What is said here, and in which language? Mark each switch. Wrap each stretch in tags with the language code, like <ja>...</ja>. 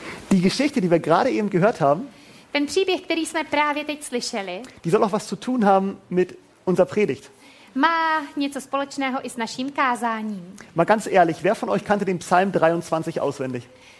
<de>Die Geschichte, die wir gerade eben gehört haben,</de> <cs>ten příběh, který jsme právě teď slyšeli,</cs> <de>die soll auch was zu tun haben mit unserer Predigt.</de> <cs>Má něco společného i s naším kázáním.</cs> <de>Mal ganz ehrlich, wer von euch kannte den Psalm 23 auswendig?</de>